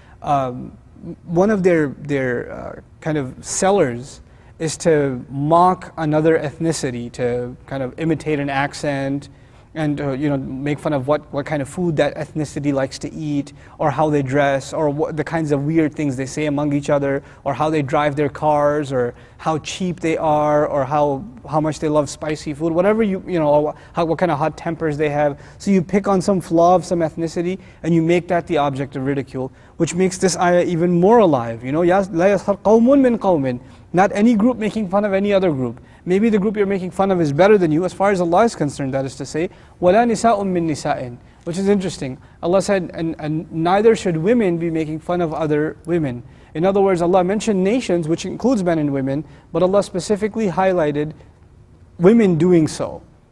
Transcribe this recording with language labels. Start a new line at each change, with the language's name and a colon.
English: One of their kind of sellers is to mock another ethnicity, to kind of imitate an accent, and you know, make fun of what kind of food that ethnicity likes to eat, or how they dress, or the kinds of weird things they say among each other, or how they drive their cars, or how cheap they are, or how much they love spicy food, whatever what kind of hot tempers they have. So you pick on some flaw of some ethnicity, and you make that the object of ridicule, which makes this ayah even more alive. You know,
Arabic: لا يسخر قوم من قوم.
English: Not any group making fun of any other group. Maybe the group you're making fun of is better than you, as far as Allah is concerned, that is to say.
Arabic: وَلَا نِسَاءٌ مِّن نِسَاءٍ.
English: Which is interesting. Allah said, and neither should women be making fun of other women. In other words, Allah mentioned nations, which includes men and women, but Allah specifically highlighted women doing so.